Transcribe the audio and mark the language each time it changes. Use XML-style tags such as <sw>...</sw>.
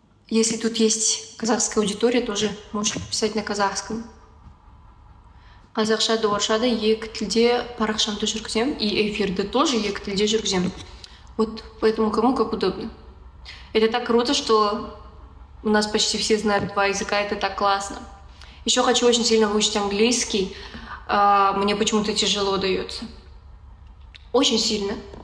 <ru>Если тут есть казахская аудитория, тоже можете писать на казахском.</ru> <kk>Қазақшада, орысшада, екі тілде парақшамды жүргізем.</kk> <ru>И</ru> <kk>эфирді</kk> <ru>тоже</ru> <kk>екі тілде жүргізем.</kk> <ru>Вот поэтому кому как удобно. Это так круто, что у нас почти все знают два языка. Это так классно. Еще хочу очень сильно выучить английский. Мне почему-то тяжело дается. Очень сильно.</ru>